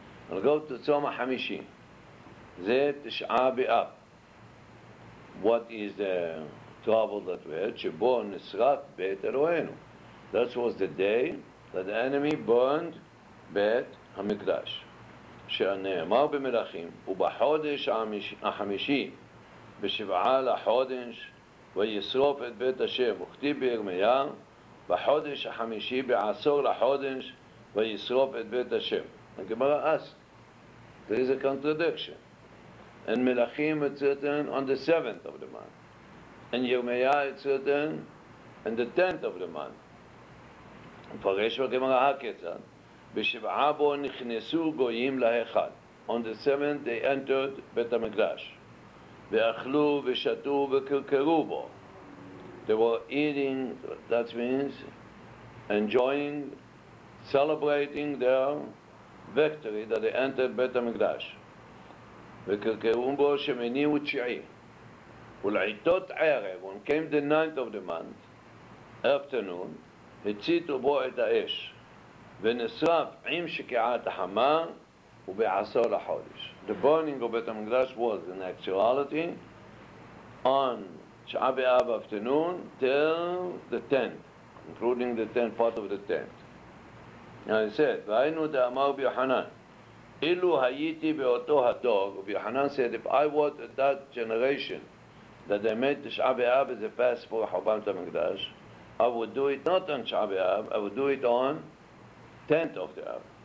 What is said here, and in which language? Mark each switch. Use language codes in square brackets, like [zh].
[en] I'll go to [he] Tzom HaHamishi, Zeh Tish'a Be'ab. [en] What is the trouble that we had? [he] Shebo Nisraf Beit Eloheinu. [en] That was the day that the enemy burned Beit HaMikdash. [he] שנאמר במלאכים, ובחודש החמישי, בשבעה לחודש, וישרוף את בית השם, וכתיב בירמיה, בחודש החמישי, בעשור לחודש, וישרוף את בית השם. [en] הגמרא asked, there is a contradiction. In מלאכים it's written on the 7th of the month. In ירמיה it's written on the 10th of the month. [he] פרש בגמרא הכיצד. בשבעה בו נכנסו גויים להיכל. [en] On the 7th they entered בית המקדש. [he] ואכלו ושתו וקרקרו בו. [en] They were eating, that means enjoying, celebrating their victory that they entered בית המקדש. [he] וקרקרו בו שמיני ותשיעי. ולעיתות ערב, [en] when came the 9th of the month, afternoon, [he] הציתו בו את האש. ונשרף עם שקיעת החמה ובעשור לחודש. [en] The burning of Beit HaMikdash was in actuality on תשעה באב afternoon till the 10th, including the 10th, part of the 10th. And I said, [he] והיינו דאמר ביוחנן, אילו הייתי באותו הדור, [en] וביוחנן said, if I was at that generation that they made תשעה באב as a fast for חורבן בית המקדש, I would do it not on תשעה באב, I would do it on 10th of the Av.